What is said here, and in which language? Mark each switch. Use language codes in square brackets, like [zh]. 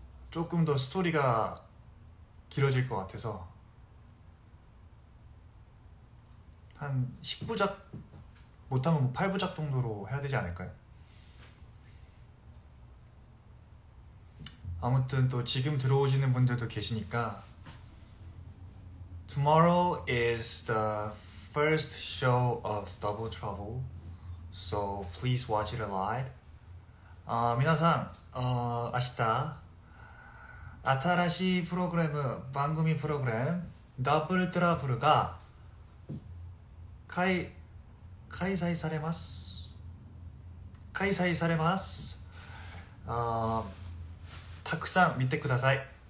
[ko] 조금 더 스토리가 길어질 것 같아서 한 10부작 못하면 뭐 8부작 정도로 해야 되지 않을까요? 아무튼 또 지금 들어오시는 분들도 계시니까 [en] Tomorrow is the first show of Double Trouble, so please watch it live. [ja] 皆さん、明日新しいプログラム、番組プログラム、ダブルトラブルが開催されます。開催されます。たくさん見てください。